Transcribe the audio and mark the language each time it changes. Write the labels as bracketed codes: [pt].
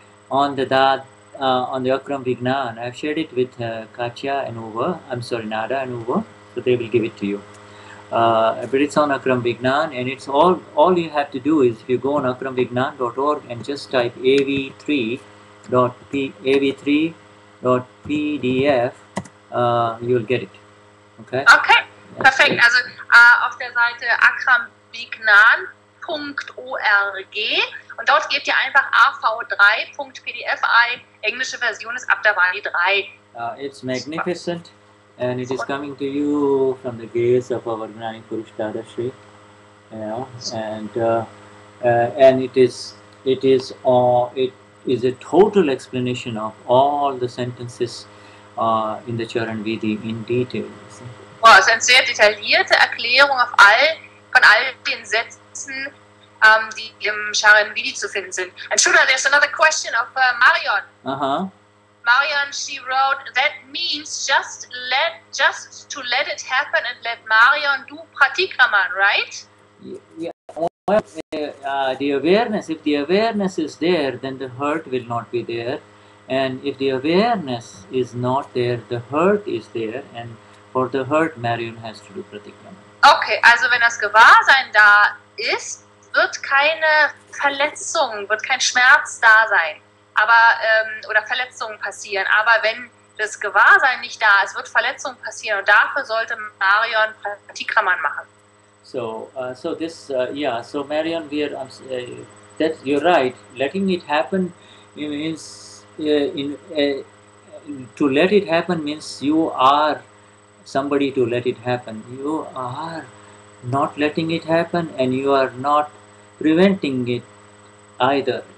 [en] On the Akram Vignan, I've shared it with Nada and Uva, so they will give it to you. But it's on Akram Vignan, and it's all you have to do is if you go on akramvignan.org and just type av3.pdf, you'll get it. Okay, that's perfect. [de] Also auf der Seite akramvignan.org, und dort gebt ihr einfach av3.pdf ein, englische Version ist Dadavani 3. [en] It's magnificent. And it is coming to you from the gaze of our Gnani Purush Dadashri, you know, and it is a total explanation of all the sentences in the Charan Vidhi in detail. Wow, it's a very detailed Erklärung of all the Sätzen, [de] die im Charan Vidhi zu finden sind. [en] And Shuddha, there's another question of Marion. Uh-huh. Marion, she wrote, that means just to let it happen and let Marion do pratikraman, right? Yeah. Well, the awareness, if the awareness is there, then the hurt will not be there. And if the awareness is not there, the hurt is there. And for the hurt, Marion has to do pratikraman. [de] Okay, also wenn das Gewahrsein da ist, wird keine Verletzung, wird kein Schmerz da sein. Aber oder Verletzungen passieren. Aber wenn das Gewahrsein nicht da ist, wird Verletzungen passieren. Und dafür sollte Marion Pratikraman machen. [en] So Marion, we are, that you're right. Letting it happen means to let it happen means you are somebody to let it happen. You are not letting it happen and you are not preventing it either.